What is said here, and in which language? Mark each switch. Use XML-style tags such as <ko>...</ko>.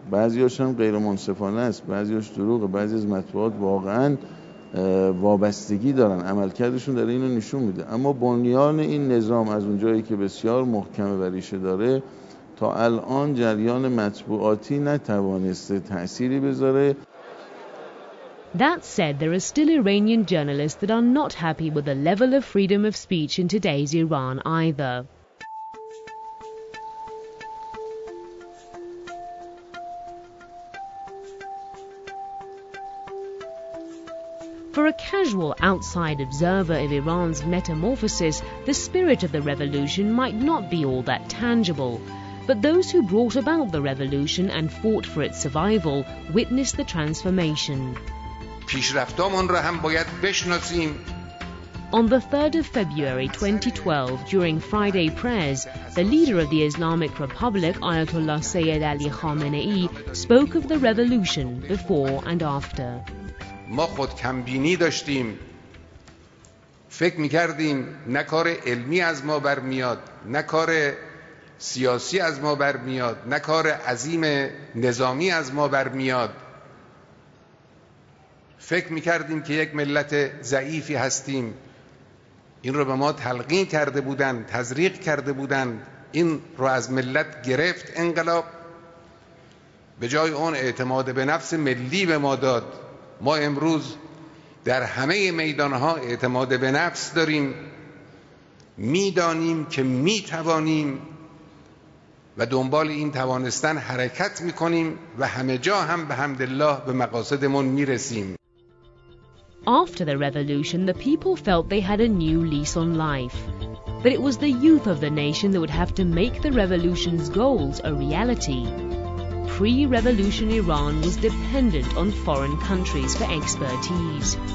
<fa>بعضیاش هم غیر منصفانه است، بعضیاش دروغه، بعضی از مطبوعات واقعا وابستگی دارن، عملکردشون داره اینو نشون میده. اما بنیان این نظام از اونجایی که بسیار محکمه و ریشه داره، تا الان جریان مطبوعاتی نتوانسته تأثیری بذاره.</fa> <en>That said, there are still Iranian journalists that are not happy with the level of freedom of speech in today's Iran either. For a casual outside observer of Iran's metamorphosis, the spirit of the revolution might not be all that tangible. But those who brought about the revolution and fought for its survival witnessed the transformation.</en> <fa>پیشرفتامون را هم باید بشناسیم.</fa> <en>On the 3rd of February 2012, during Friday prayers, the leader of the Islamic Republic, Ayatollah Sayyid Ali Khamenei, spoke of the revolution before and after.</en> <fa>ما خود کمبینی داشتیم، فکر میکردیم نه کار علمی از ما برمیاد، نه کار سیاسی از ما برمیاد، نه کار عظیم نظامی از ما برمیاد. فکر میکردیم که یک ملت ضعیفی هستیم. این رو به ما تلقین کرده بودند، تزریق کرده بودند. این رو از ملت گرفت انقلاب، به جای اون اعتماد به نفس ملی به ما داد. ما امروز در همه میدانها اعتماد به نفس داریم، میدانیم که میتوانیم و دنبال این توانستن حرکت میکنیم و همه جا هم به حمد الله به مقاصدمون میرسیم.</fa> <en>After the revolution, the people felt they had a new lease on life. But it was the youth of the nation that would have to make the revolution's goals a reality. Pre-revolution Iran was dependent on foreign countries for expertise.</en>